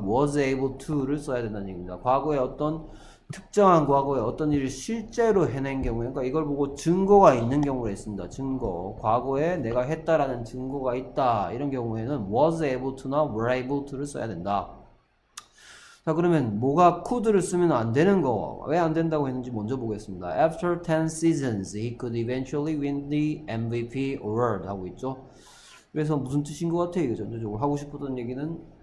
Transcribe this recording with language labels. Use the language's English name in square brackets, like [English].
[Korean] was able to를 써야 된다는 얘기입니다. 과거에 어떤 특정한 과거에 어떤 일을 실제로 해낸 경우, 그러니까 이걸 보고 증거가 있는 경우가 있습니다. 증거. 과거에 내가 했다라는 증거가 있다. 이런 경우에는 was able to나 were able to를 써야 된다. 자, 그러면 뭐가 could를 쓰면 안 되는 거? 왜안 된다고 했는지 먼저 보겠습니다. [English] After 10 seasons, he could eventually win the MVP award [Korean] 하고 있죠. 그래서 무슨 뜻인 것 같아요? 이거 전체적으로 하고 싶었던 얘기는?